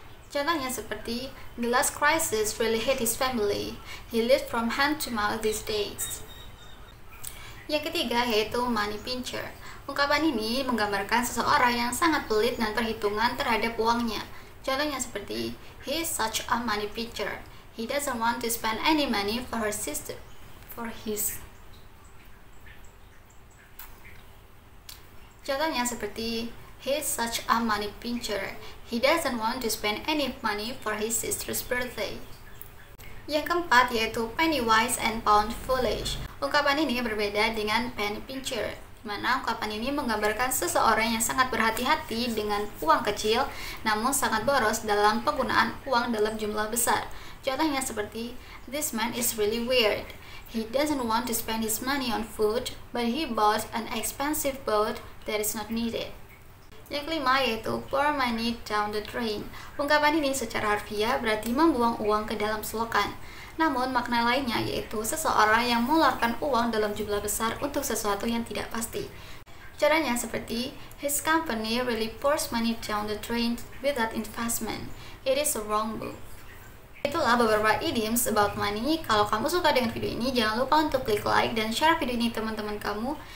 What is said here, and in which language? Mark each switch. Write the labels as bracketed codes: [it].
[id] Contohnya seperti, [en] "The last crisis really hit his family. He lived from hand to mouth these days." [id] Yang ketiga yaitu money pincher. Ungkapan ini menggambarkan seseorang yang sangat pelit dan perhitungan terhadap uangnya. Contohnya seperti, [en] "He's such a money pincher. He doesn't want to spend any money for his sister's birthday." [id] Yang keempat yaitu [en] penny wise and pound foolish. [id] Ungkapan ini berbeda dengan penny pincher, di mana ungkapan ini menggambarkan seseorang yang sangat berhati-hati dengan uang kecil, namun sangat boros dalam penggunaan uang dalam jumlah besar. Contohnya seperti, [en] "This man is really weird. He doesn't want to spend his money on food, but he bought an expensive boat that is not needed." [id] Yang kelima yaitu [en] pour money down the drain. [id] Ungkapan ini secara harfiah berarti membuang uang ke dalam selokan. Namun makna lainnya yaitu seseorang yang mengeluarkan uang dalam jumlah besar untuk sesuatu yang tidak pasti. Caranya seperti, [en] "His company really pours money down the drain without investment. It is a wrong move." [id] Itulah beberapa [en] idioms about money. [id] Kalau kamu suka dengan video ini, jangan lupa untuk klik like dan share video ini teman-teman kamu.